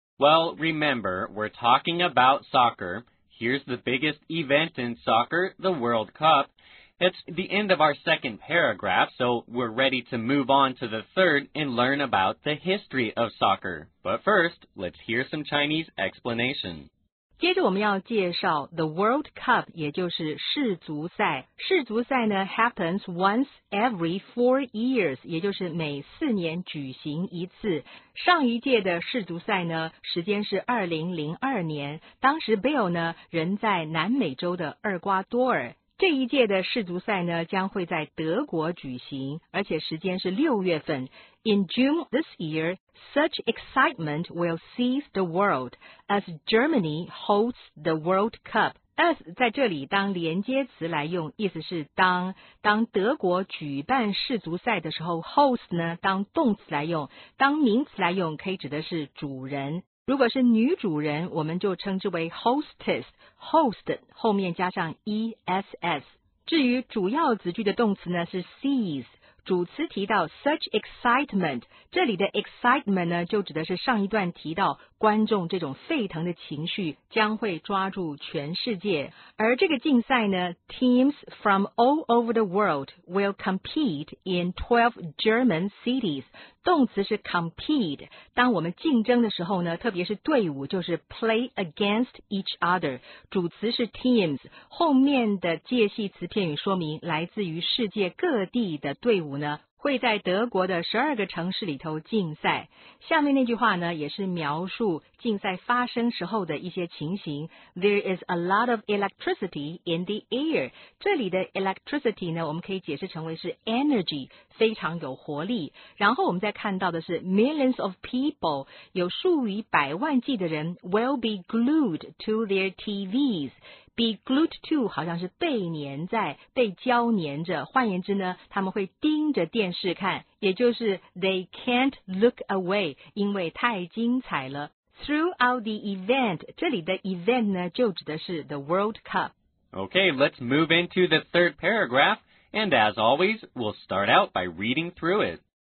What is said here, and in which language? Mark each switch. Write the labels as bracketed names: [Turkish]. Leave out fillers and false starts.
[English] Well, remember, we're talking about soccer. Here's the biggest event in soccer, the World Cup. It's the end of our second paragraph, so we're ready to move on to the third and learn about the history of soccer. But first, let's hear some Chinese explanation. [Chinese] 接着我们要介绍 [English] the World Cup, [Chinese] 也就是世足赛。世足赛呢 [English] happens once every 4 years, [Chinese] 也就是每四年举行一次。上一届的世足赛呢时间是2002年。当时 Bill 呢人在南美洲的厄瓜多尔。这一届的世足赛呢将会在德国举行，而且时间是6月份。 [English] In June this year, such excitement will seize the world as Germany holds the World Cup. [Chinese] As 在这里当连接词来用，意思是当德国举办世足赛的时候 ,host 呢当动词来用，当名词来用可以指的是主人。如果是女主人，我们就称之为 hostess,host 后面加上 ess。至于主要子句的动词呢是 seize, 主词提到 [English] such excitement， [Chinese] 这里的 excitement 呢，就指的是上一段提到观众这种沸腾的情绪将会抓住全世界。而这个竞赛呢， [English] teams from all over the world will compete in 12 German cities。 [Chinese] 动词是 compete， 当我们竞争的时候呢，特别是队伍就是 [English] play against each other， [Chinese] 主词是 teams， 后面的介系词片语说明来自于世界各地的队伍呢会在德国的12个城市里头竞赛。下面那句话呢也是描述竞赛发生时候的一些情形。 [English] There is a lot of electricity in the air。 [Chinese] 这里的 electricity 呢我们可以解释成为是 energy， 非常有活力。然后我们再看到的是 [English] millions of people， [Chinese] 有数以百万计的人 [English] will be glued to their TVs。 Be glued to [Chinese] 好像是被粘在、被胶粘着，换言之呢，他们会盯着电视看，也就是 [English] they can't look away， [Chinese] 因为太精彩了。 [English] Throughout the event， [Chinese] 这里的 [English] event [Chinese] 呢，就指的是 [English] the World Cup。 Okay, let's move into the third paragraph, and as always, we'll start out by reading through it.